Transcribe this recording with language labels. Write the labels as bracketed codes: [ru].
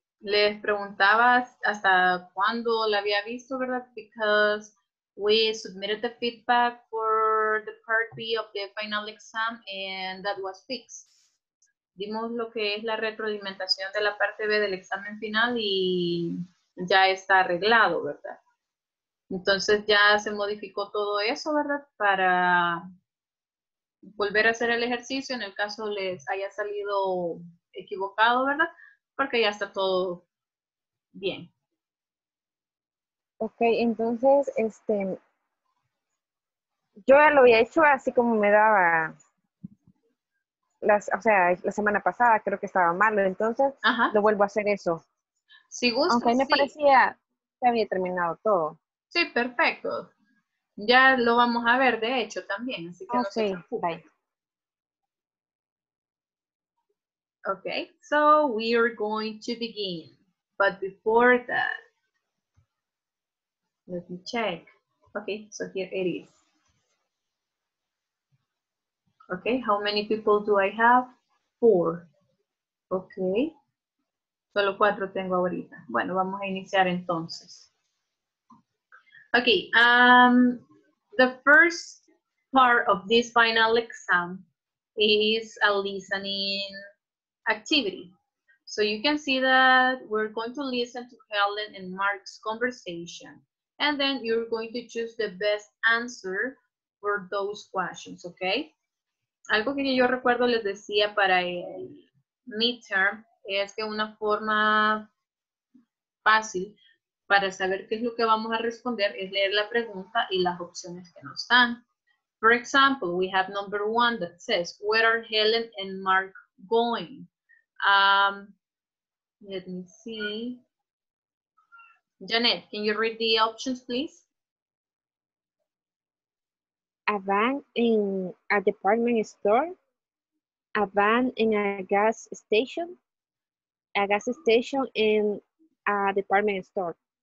[es] Les preguntaba hasta cuándo la había visto, ¿verdad? [en] Because we submitted the feedback for the part B of the final exam and that was fixed. [es] Dimos lo que es la retroalimentación de la parte B del examen final y ya está arreglado, ¿verdad? Entonces ya se modificó todo eso, ¿verdad? Para volver a hacer el ejercicio en el caso les haya salido equivocado, ¿verdad? Porque ya está todo bien. Ok, entonces, yo ya lo había hecho así como me daba, la semana pasada creo que estaba malo, entonces lo vuelvo a hacer eso. Si gusta, aunque me parecía que había terminado todo. Sí, perfecto. Ya lo vamos a ver, de hecho, también, así que no se preocupe. [en] Okay, so we are going to begin, but before that, let me check. Okay, so here it is. Okay, how many people do I have? 4. Okay, [es] solo 4 tengo ahorita. Bueno, vamos a iniciar entonces. [en] Okay, the first part of this final exam is a listening activity. So you can see that we're going to listen to Helen and Mark's conversation. And then you're going to choose the best answer for those questions, okay? [es] Algo que yo recuerdo les decía para el midterm es que una forma fácil para saber qué es lo que vamos a responder es leer la pregunta y las opciones que nos dan. [en] For example, we have number one that says, where are Helen and Mark going? Let me see. Janet, can you read the options, please? A van in a department store, a van in a gas station in a department store.